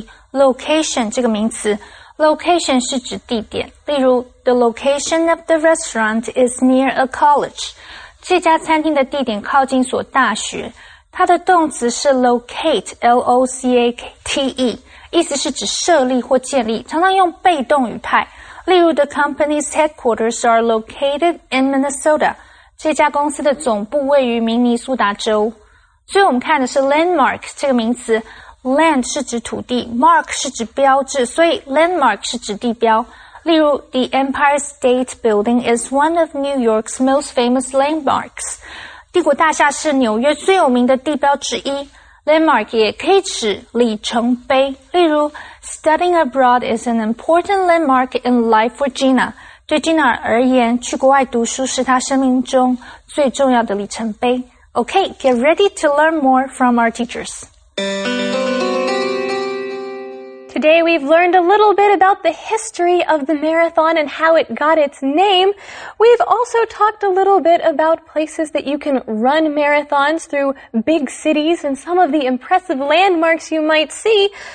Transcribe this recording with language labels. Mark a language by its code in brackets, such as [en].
[en] Location [zh] 是指地点，例如 [en] The location of the restaurant is near a college. [zh] 这家餐厅的地点靠近所大学。它的动词是 locate, L-O-C-A-T-E, 意思是指设立或建立，常常用被动语态。例如 [en] The company's headquarters are located in Minnesota. [zh] 这家公司的总部位于明尼苏达州。最后我们看的是 landmark 这个名词。Land 是指土地 ,Mark 是指标志，所以 Landmark 是指地标。例如 [en] ,The Empire State Building is one of New York's most famous landmarks. [zh] 帝国大厦是纽约最有名的地标之一。 [en] Landmark [zh] 也可以指里程碑。例如 [en] ,Studying abroad is an important landmark in life for Gina. [zh] 对 Gina 而言，去国外读书是她生命中最重要的里程碑。 [en] Okay, get ready to learn more from our teachers. Today we've learned a little bit about the history of the marathon and how it got its name. We've also talked a little bit about places that you can run marathons through big cities and some of the impressive landmarks you might see.